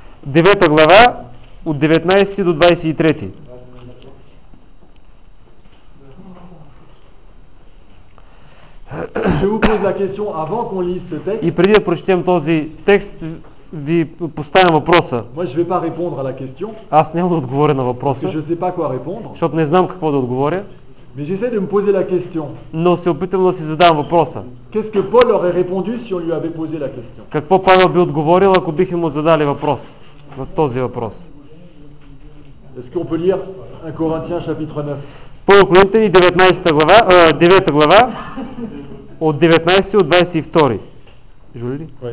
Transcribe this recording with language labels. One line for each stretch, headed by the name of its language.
Bulgarian: 9 глава от 19 до 23.
French: Je vous pose la question avant qu'on lise ce texte.
Bulgarian: И преди да прочетем този текст, ви поставям въпроса.
French: Moi, je vais pas répondre à la question.
Bulgarian: Аз няма да отговоря на въпроса.
French: Je sais pas quoi répondre.
Bulgarian: Защото не знам какво да отговоря.
French: Mais j'essaie de me poser la question.
Bulgarian: Но се опитвам да си задам въпроса.
French: Qu'est-ce que Paul aurait répondu si on lui avait posé la question?
Bulgarian: Какво Павел би отговорил, ако бихме му задали въпрос, на този въпрос?
French: Est-ce qu'on peut lire 1 Corinthiens chapitre 9?
Bulgarian: Първо Коринтени 19 глава, 9 глава от 19 до 22. Жули ли?